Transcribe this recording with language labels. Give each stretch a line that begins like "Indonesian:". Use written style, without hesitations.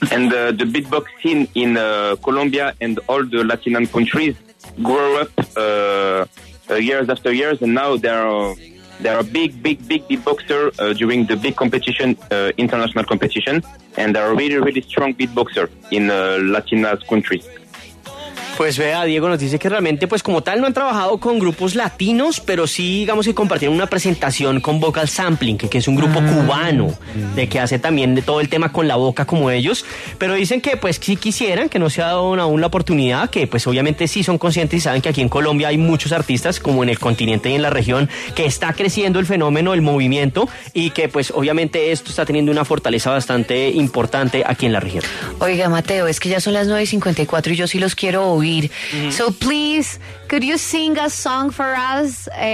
English: And the beatbox scene in Colombia and all the Latinan countries grew up years after years, and now there are big beatboxer during the big competition, international competition, and there are really, really strong beatboxer in Latina's countries.
Spanish: Pues vea, Diego nos dice que realmente, pues como tal, no han trabajado con grupos latinos, pero sí, digamos, que compartieron una presentación con Vocal Sampling, que es un grupo cubano, de que hace también de todo el tema con la boca como ellos. Pero dicen que, pues, si quisieran, que no se ha dado aún la oportunidad, que pues obviamente sí son conscientes y saben que aquí en Colombia hay muchos artistas, como en el continente y en la región, que está creciendo el fenómeno, el movimiento, y que pues obviamente esto está teniendo una fortaleza bastante importante aquí en la región. Oiga, Mateo, es que ya son las 9:54 y yo sí los quiero oír.
English: So please, could you sing a song for us?